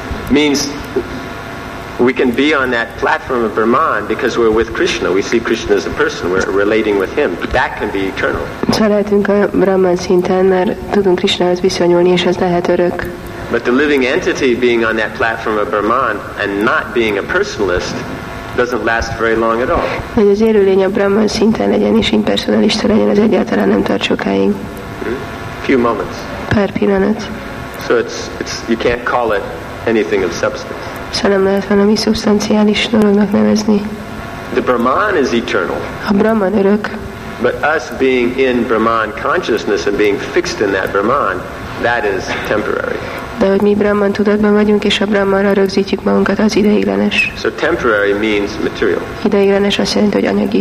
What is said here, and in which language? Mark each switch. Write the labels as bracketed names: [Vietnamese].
[English] Means we can be on that platform of Brahman because we're with Krishna. We see Krishna as a person. We're relating with him. That can be eternal. [Hungarian] Szeretünk a Brahman szinten, mert tudunk Krishnához viszonyulni, és ez lehet örök. [English] But the living entity being on that platform of Brahman and not being a personalist doesn't last very long at all. [Hungarian] Hogy az élőlény a Brahman szinten legyen és impersonalista legyen, az egyáltalán nem tart sokáig. [English] Few moments. [Hungarian] Pár pillanat. [English] So it's you can't call it anything of substance. [Hungarian] Szóval nem lehet valami szubstanciális dolognak nevezni. [English] The Brahman is eternal. [Hungarian] A Brahman örök. [English] But us being in Brahman consciousness and being fixed in that Brahman, that is temporary. [Hungarian] De hogy mi Brahman tudatban vagyunk és a Brahmanra rögzítjük magunkat, az ideiglenes. [English] So temporary means material. [Hungarian] Ideiglenes azt jelenti, hogy anyagi.